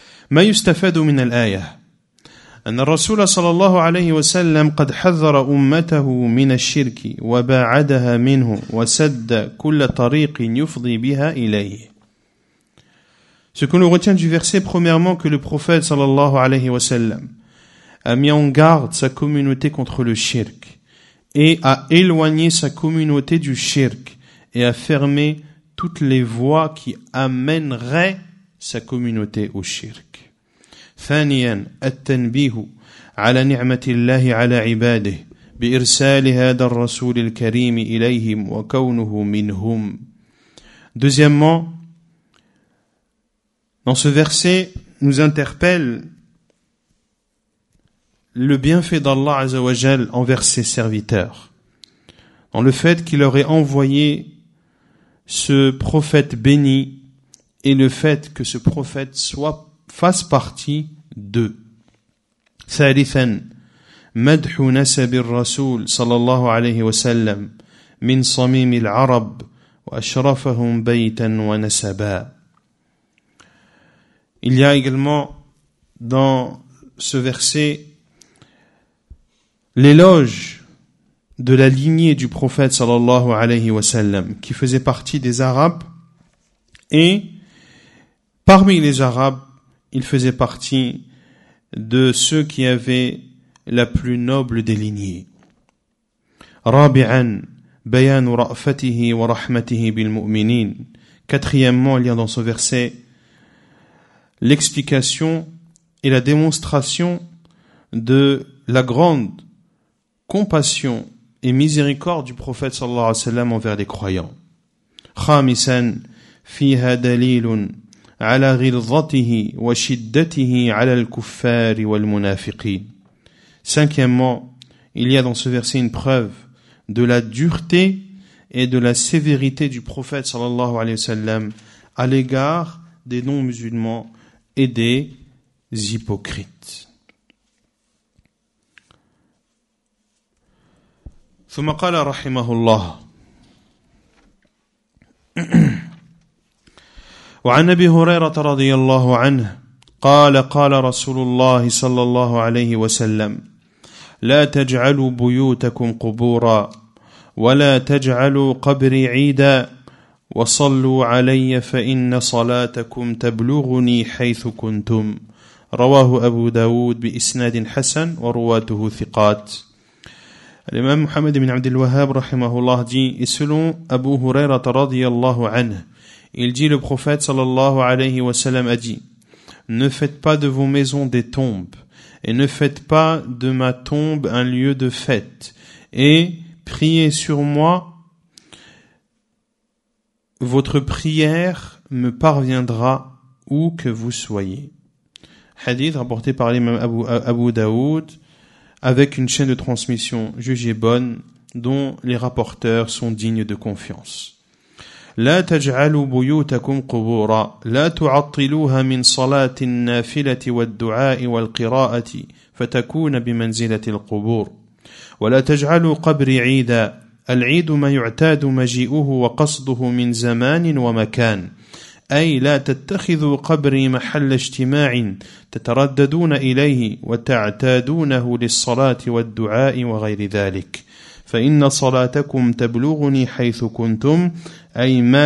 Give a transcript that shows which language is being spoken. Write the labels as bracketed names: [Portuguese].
[Arabic] ما يستفاد من الآية أن الرسول صلى الله عليه وسلم قد حذر أمته من الشرك وباعدها منه وسد كل طريق يفضي بها إليه. [French] Ce que nous retient du verset, premièrement, que le prophète صلى الله عليه وسلم a mis en garde sa communauté contre le shirk et a éloigné sa communauté du shirk et a fermé toutes les voies qui amèneraient sa communauté au shirk. [Arabic] ثانيا التنبيه على نعمة الله على عباده بإرسال هذا الرسول الكريم إليهم وكونه منهم. [French] Deuxièmement, dans ce verset nous interpelle le bienfait d'Allah Azza wa Jal envers ses serviteurs, en le fait qu'il leur ait envoyé ce prophète béni et le fait que ce prophète fasse partie de. [Arabic] ثالثا مدح نسب الرسول صلى الله عليه وسلم من صميم العرب وأشرفهم بيتا ونسبا. [French] Il y a également dans ce verset l'éloge de la lignée du prophète صلى الله عليه وسلم qui faisait partie des Arabes, et parmi les Arabes il faisait partie de ceux qui avaient la plus noble des lignées. [Arabic] رابعا بيان رأفته ورحمته بالمؤمنين. [French] Quatrièmement, il y a dans ce verset l'explication et la démonstration de la grande compassion et miséricorde du prophète صلى الله عليه وسلم envers les croyants. [Arabic] خامسا فيها دليل على غلظته وشدته على الكفار والمنافقين. [French] Cinquièmement, il y a dans ce verset une preuve de la dureté et de la sévérité du prophète sallallahu alayhi wa sallam à l'égard des non-musulmans et des hypocrites. [Arabic] ثم قال رحمه الله وعن أبي هريرة رضي الله عنه قال قال رسول الله صلى الله عليه وسلم لا تجعلوا بيوتكم قبورا ولا تجعلوا قبري عيدا وصلوا علي فإن صلاتكم تبلغني حيث كنتم. رواه أبو داود بإسناد حسن ورواته ثقات. الإمام محمد بن عبد الوهاب رحمه الله جي إسلو أبو هريرة رضي الله عنه الجيل بخفات صلى الله عليه وسلم أجي [French] Ne faites pas de vos maisons des tombes, et ne faites pas de ma tombe un lieu de fête, et priez sur moi, votre prière me parviendra où que vous soyez. Hadith rapporté par l'imam Abu Daoud, avec une chaîne de transmission jugée bonne, dont les rapporteurs sont dignes de confiance. [Arabic] لا تجعلوا بيوتكم قبورا لا تعطلوها من صلاة النافلة والدعاء والقراءة فتكون بمنزلة القبور ولا تجعلوا قبري عيدا العيد ما يعتاد مجيئه وقصده من زمان ومكان أي لا تتخذوا قبري محل اجتماع تترددون إليه وتعتادونه للصلاة والدعاء وغير ذلك فإن صلاتكم تبلغني حيث كنتم أي